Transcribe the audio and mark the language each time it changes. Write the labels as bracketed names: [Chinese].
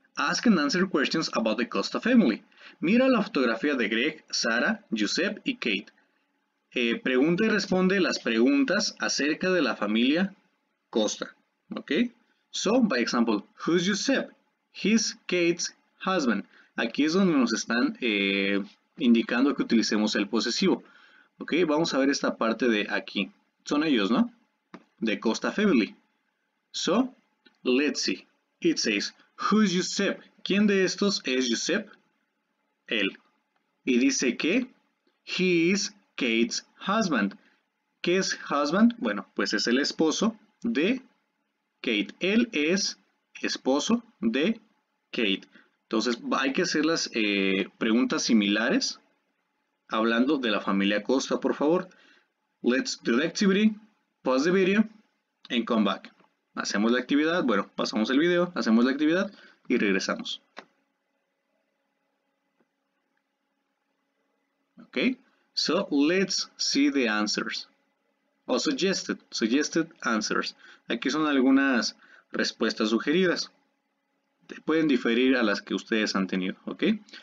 [English] Ask and answer questions about the Costa family. [Spanish] Mira la fotografía de Greg, Sarah, Giuseppe y Kate. Pregunta y responde las preguntas acerca de la familia Costa. Okay? [English] So, by example, who's Giuseppe? He's Kate's husband. [Spanish] Aquí es donde nos están indicando que utilicemos el posesivo. Ok, vamos a ver esta parte de aquí. Son ellos, ¿no? [English] The Costa family. So, let's see. It says, who's Giuseppe? [Spanish] ¿Quién de estos es Giuseppe? Él. Y dice que, [English] he is Kate's husband. [Spanish] ¿Qué es husband? Bueno, pues es el esposo de Kate. Él es esposo de Kate. Entonces, hay que hacer las preguntas similares hablando de la familia Costa, por favor. [English] Let's do the activity, pause the video, and come back. [Spanish] Hacemos la actividad, bueno, pasamos el video, hacemos la actividad y regresamos. [English] Okay, so let's see the answers. O suggested answers. [Spanish] Aquí son algunas respuestas sugeridas. Pueden diferir a las que ustedes han tenido, okay?